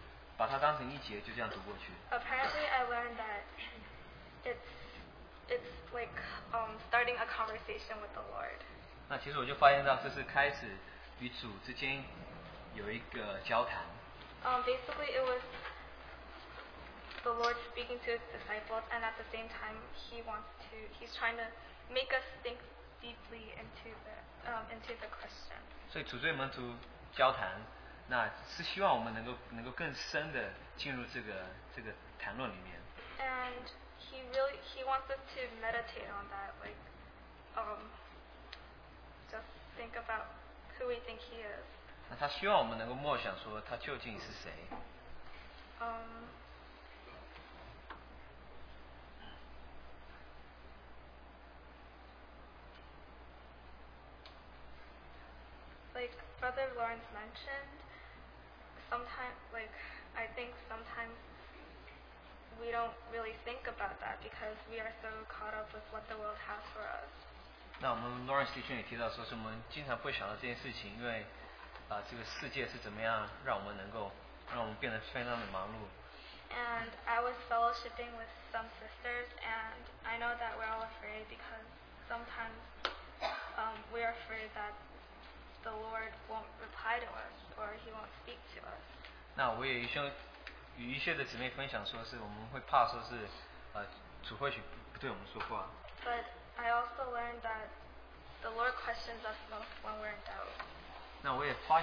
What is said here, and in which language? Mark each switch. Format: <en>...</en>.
<zh>那我这次我就是把它当成一节就这样读过去。</zh> <en>Apparently I learned that. It's like starting a conversation with the Lord.</en> <zh>那其实我就发现到，这是开始与主之间有一个交谈。</zh> <en>Basically, it was the Lord speaking to his disciples, and at the same time, he's trying to make us think deeply into the question.</en> <zh>所以主对门徒交谈，那是希望我们能够更深的进入这个谈论里面。</zh> <en>And He wants us to meditate on that, like, just think about who we think he is.</en> <zh>那他希望我们能够默想说他究竟是谁。</zh> <en>Like Brother Lawrence mentioned, sometimes we don't really think about that because we are so caught up with what the world has for us.</en> <zh>那我们 Lawrence 弟兄也提到说，是我们经常不想到这件事情，因为这个世界是怎么样让我们变得非常的忙碌。</zh> <en>And I was fellowshipping with some sisters, and I know that we're all afraid because sometimes we are afraid that the Lord won't reply to us or He won't speak to us.</en> <zh>那我也一生 与一些的姊妹分享说，是我们会怕说是，主或许不对我们说话。</zh> <en>But I also learned that the Lord questions us most when we're in doubt.</en>